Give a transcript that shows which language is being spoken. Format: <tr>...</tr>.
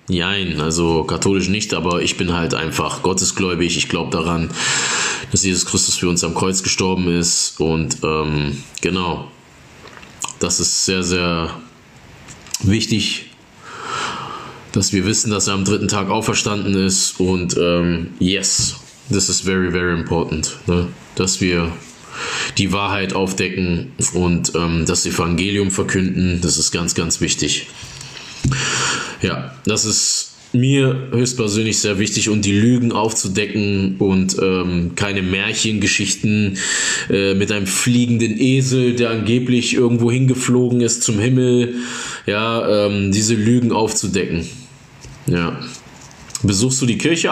<de>Jein, also katholisch nicht, aber ich bin halt einfach gottesgläubig. Ich glaube daran, dass Jesus Christus für uns am Kreuz gestorben ist. Und genau, das ist sehr, sehr wichtig, dass wir wissen, dass er am dritten Tag auferstanden ist.</de> <en>Und yes, this is very, very important, ne?</en> <de>Dass wir die Wahrheit aufdecken und das Evangelium verkünden. Das ist ganz, ganz wichtig. Ja, das ist mir höchstpersönlich sehr wichtig, um die Lügen aufzudecken und keine Märchengeschichten mit einem fliegenden Esel, der angeblich irgendwo hingeflogen ist zum Himmel, ja, diese Lügen aufzudecken. Ja. Besuchst du die Kirche?</de>